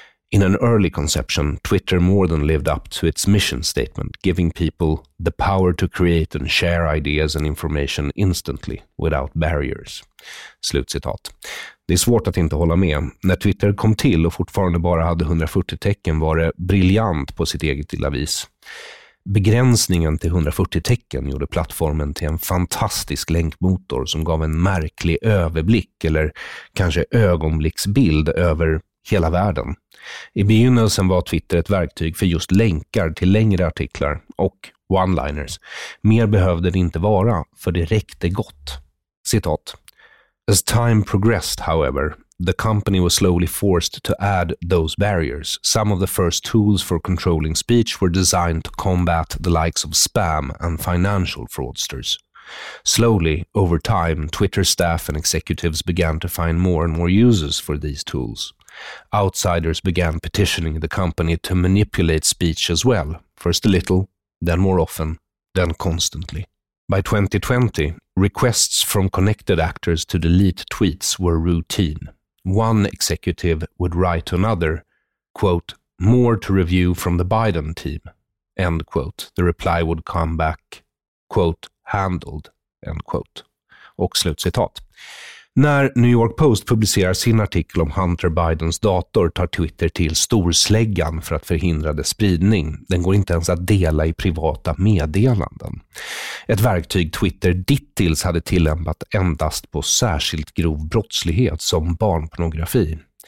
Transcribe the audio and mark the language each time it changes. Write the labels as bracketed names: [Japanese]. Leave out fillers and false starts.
[English] In an early conception, Twitter more than lived up to its mission statement, giving people the power to create and share ideas and information instantly, without barriers. [Swedish] Slutcitat. Det är svårt att inte hålla med. När Twitter kom till och fortfarande bara hade 140 tecken var det briljant på sitt eget lilla vis. Begränsningen till 140 tecken gjorde plattformen till en fantastisk länkmotor som gav en märklig överblick eller kanske ögonblicksbild över hela världen. I begynnelsen var Twitter ett verktyg för just länkar till längre artiklar och one-liners. Mer behövde det inte vara, för det räckte gott. Citat. [English] As time progressed, however, the company was slowly forced to add those barriers. Some of the first tools for controlling speech were designed to combat the likes of spam and financial fraudsters. Slowly, over time, Twitter staff and executives began to find more and more uses for these tools. Outsiders began petitioning the company to manipulate speech as well, first a little, then more often, then constantly. By 2020, requests from connected actors to delete tweets were routine. One executive would write to another, quote, "more to review from the Biden team," end quote. The reply would come back, quote, "handled," end quote. [Swedish] Och slutcitat. När New York Post publicerar sin artikel om Hunter Bidens dator tar Twitter till storsläggan för att förhindra dess spridning. Den går inte ens att dela i privata meddelanden. Ett verktyg Twitter dittills hade tillämpat endast på särskilt grov brottslighet som barnpornografi.